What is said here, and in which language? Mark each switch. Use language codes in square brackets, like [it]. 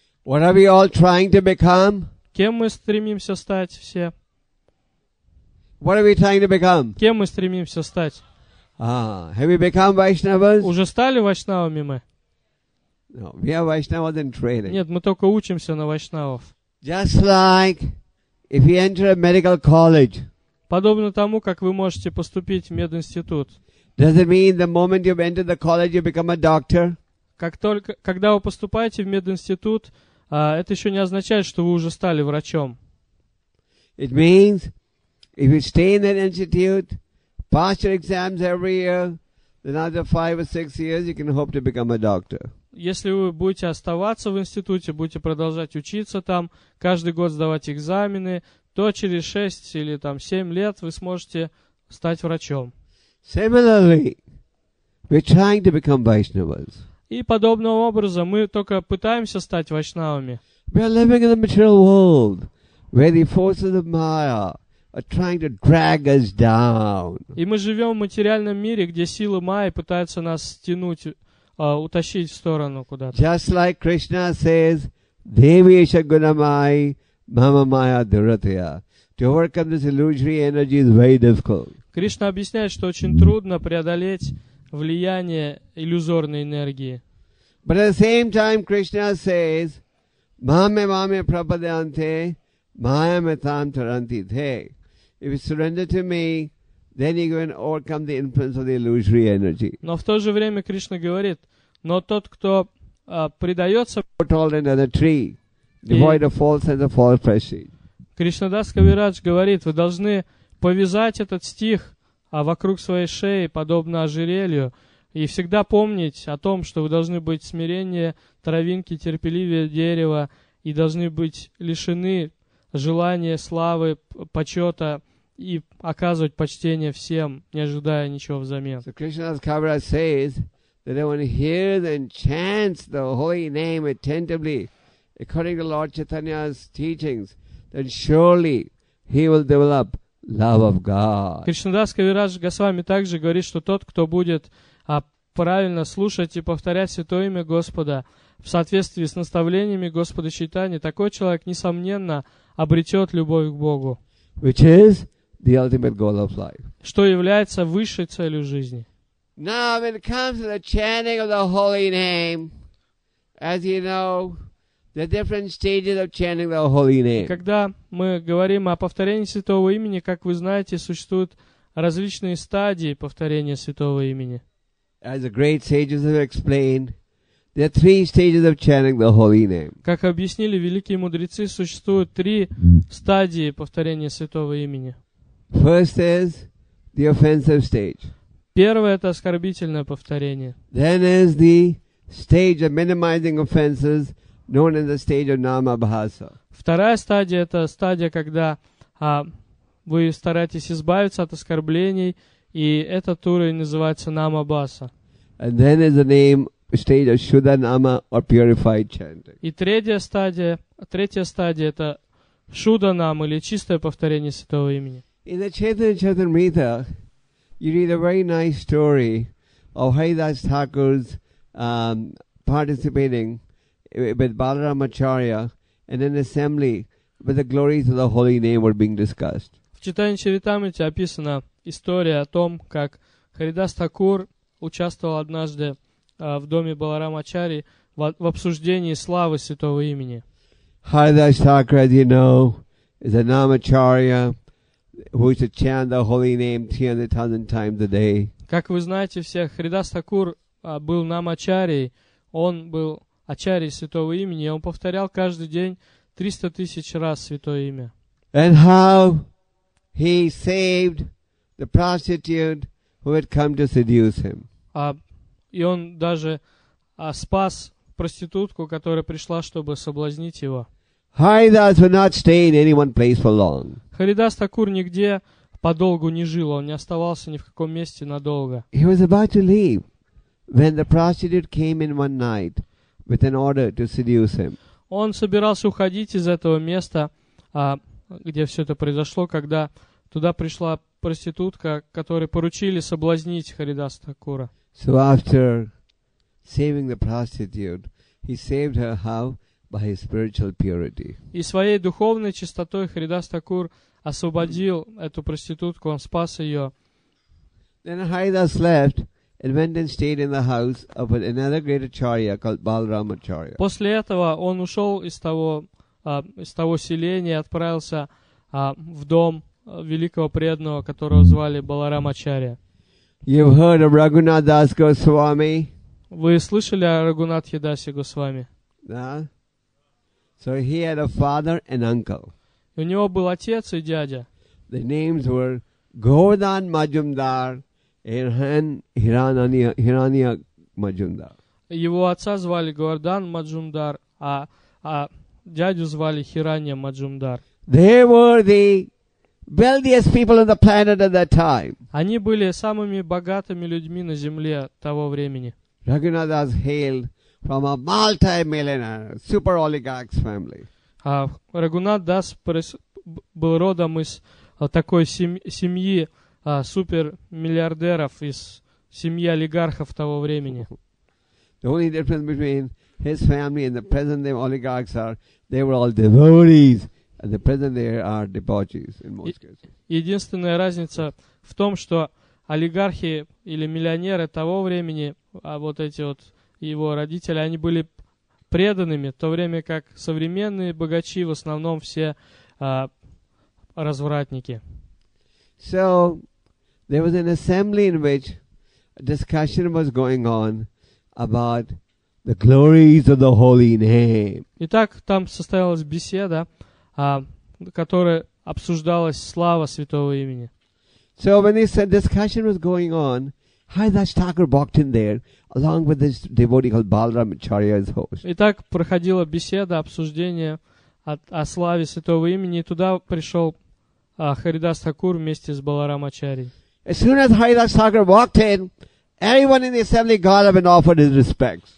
[en] What are we all trying to become? [ru] Кем мы стремимся стать все? [en] What are we trying to become? [ru] Кем мы стремимся стать? [en] Have we become Vaishnavas? [ru] Уже стали вайшнавами мы? [en] No, we are Vaishnavas in training. [ru] Нет, мы только учимся на вайшнавов. [en] Just like if you enter a medical college. [ru] Подобно тому, как вы можете поступить в мединститут. [en] Does it mean the moment you've entered the college you become a doctor? [ru] Когда вы поступаете в мединститут, это еще не означает, что вы уже стали врачом. [en] It means, if you stay in that institute, pass your exams every year, then after 5 or 6 years, you can hope to become a doctor. [ru] Если вы будете оставаться в институте, будете продолжать учиться там, каждый год сдавать экзамены, то через 6 или 7 лет вы сможете стать врачом. [en] Similarly, we're trying to become Vaishnavas. [ru] И подобным образом мы только пытаемся стать вайшнавами. [en] We are living in the material world, where the forces of Maya are trying to drag us down. [ru] И мы живем в материальном мире, где силы Майи пытаются нас стянуть, утащить в сторону куда-то. [en] Just like Krishna says, [sa] Devisha Gunamai, Mama Maya Duratya. [en] To overcome this illusory energy is very difficult. [ru] Кришна объясняет, что очень трудно преодолеть влияние иллюзорной энергии. [en] But at the same time, Krishna says, [sa] "Mame mame prapadante, maya metam taranti the." [en] If you surrender to me, then you can overcome the influence of the illusory energy. [ru] Но в то же время Кришна говорит, но тот, кто предается, [en] portal into the tree, devoid of false sense of false prestige. [ru] Кришнадас Кавирадж говорит, вы должны повязать этот стих а вокруг своей шеи, подобно ожерелью, и всегда помнить о том, что вы должны быть смиреннее травинки, терпеливее дерева, и должны быть лишены желания, славы, почета, и оказывать почтение всем, не ожидая ничего взамен. [en] So Krishna's Kavira says that everyone hears and chants the holy name attentively, according to Lord Chaitanya's teachings, then surely he will develop love of God. [ru] Кришнадас Кавирадж Госвами также говорит, что тот, кто будет правильно слушать и повторять Святое Имя Господа в соответствии с наставлениями Господа Чайтаньи, такой человек, несомненно, обретет любовь к Богу. [en] Which is the ultimate goal of life. [ru] Что является высшей целью жизни. [en] Now, when it comes to the chanting of the holy name, as you know, the different stages of chanting the holy name. [ru] Когда мы говорим о повторении святого имени, как вы знаете, существуют различные стадии повторения святого имени. [en] As the great sages have explained, there are 3 stages of chanting the holy name. [ru] Как объяснили великие мудрецы, существуют 3 стадии повторения святого имени. [en] First is the offensive stage. [ru] Первое — это оскорбительное повторение. [en] Then is the stage of minimizing offenses, known as the stage of Namabhasa. [ru] Вторая стадия — это стадия, когда вы стараетесь избавиться от оскорблений, и этот уровень называется Намабаса. [en] And then is the name stage of Shuddhanama or purified chanting. [ru] И третья стадия — это Шуддханам или чистое повторение святого имени. [en] In the Chaitanya Charitamrita, you read a very nice story of Haridas Thakur's participating with Balaramacharya in an assembly where the glories of the holy name were being discussed. [ru] В Читании Чаритамрите описана история о том, как Харидас Такур участвовал однажды в доме Баларамачари в обсуждении славы святого имени. [en] Haridas Thakur, as you know, is a Namacharya who is to chant the holy name 300,000 times a day. [ru] Как вы знаете все, Харидас Такур был Намачарией, он был Ачарией святого имени, и он повторял каждый день 300,000 раз святое имя. [en] And how he saved the prostitute who had come to seduce him. [ru] И он даже спас проститутку, которая пришла, чтобы соблазнить его. [en] Haridas would not stay in any one place for long. [ru] Харидас Такур нигде подолгу не жил, он не оставался ни в каком месте надолго. [en] He was about to leave when the prostitute came in one night with an order to seduce him. [ru] Он собирался уходить из этого места, где все это произошло, когда туда пришла проститутка, которой поручили соблазнить Харидас Такура. [en] So after saving the prostitute, he saved her how? By his spiritual purity. [ru] И своей духовной чистотой Харидас Такур освободил эту проститутку, он спас ее. [en] Then Haridas left and went and stayed in the house of another great acharya called Balaramacharya. [ru] После этого он ушел из того селения и отправился в дом великого преданного, которого звали Баларамачарья. [en] You've heard of Raghunath Das Goswami? [ru] Вы слышали о Рагхунатхе Дасе Госвами? Да. [en] So he had a father and uncle. [ru] У него был отец и дядя. [en] The names were Govardhan Majumdar and Hiranya Majumdar. [ru] Его отца звали Govardhan Majumdar, а дядю звали Hiranya Majumdar. [en] They were the wealthiest people on the planet at that time. [ru] Они были самыми богатыми людьми на Земле того времени. [en] Raghunath Das hailed from a multi-millionaire, super oligarch's family. [ru] Raghunath Das был родом из такой семьи супермиллиардеров, из семьи олигархов того времени. [en] The only difference between his family and the present-day oligarchs are they were all devotees, and the present-day are debauchees in most cases. [ru] Единственная разница в том, что олигархи или миллионеры того времени, вот эти вот его родители, они были преданными, в то время как современные богачи в основном все развратники. [en] So, there was an assembly in which a discussion was going on about the glories of the holy name. [ru] Итак, там состоялась беседа, которая обсуждалась слава святого имени. [en] So, when this discussion was going on, Haridas Thakur walked in there along with this devotee called Balaramacharya as host. [ru] Итак, проходила беседа, обсуждение о славе святого имени, и туда пришел Харидас Такур вместе с Баларамачарьей. [en] As soon as Haridas Thakur walked in, everyone in the assembly got up and offered his respects.